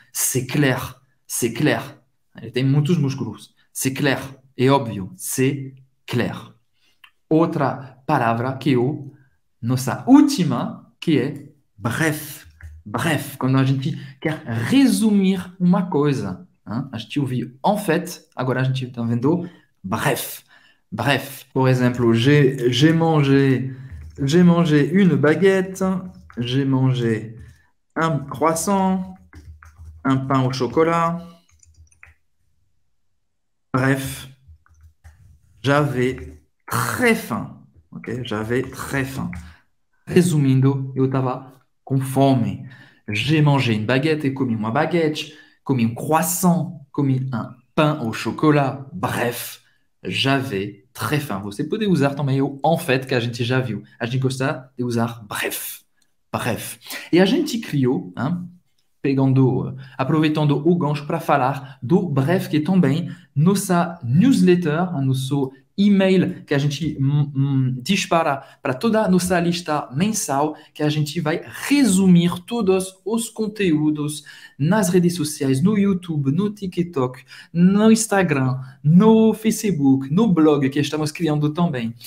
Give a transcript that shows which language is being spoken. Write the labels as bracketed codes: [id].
[fr] C'est clair, c'est clair. [pt] Ele tem muitos músculos. C'est clair, é óbvio, c'est clair. Outra palavra que é nossa última, que é bref. Bref, quando a gente quer resumir uma coisa. Hein? A gente ouviu en fait, agora a gente está vendo bref. [fr] Bref, [pt] por exemplo, [fr] j'ai mangé une baguette, j'ai mangé un croissant, un pain au chocolat. Bref, j'avais très faim. Okay? J'avais très faim. [pt] Resumindo, eu estava com fome. [fr] J'ai mangé une baguette [pt] et comi uma baguette, comi um croissant, comi un pain au chocolat. [fr] Bref, j'avais très fin. Vous pouvez utiliser ton maillot en fait, [pt] que a gente já viu. A gente gosta de usar bref. Bref. Et a gente criou, hein, pegando, aproveitando o gancho para falar do breve que também nossa newsletter, nosso e-mail que a gente dispara para toda a nossa lista mensal, que a gente vai resumir todos os conteúdos nas redes sociais, no YouTube, no TikTok, no Instagram, no Facebook, no blog que estamos criando também.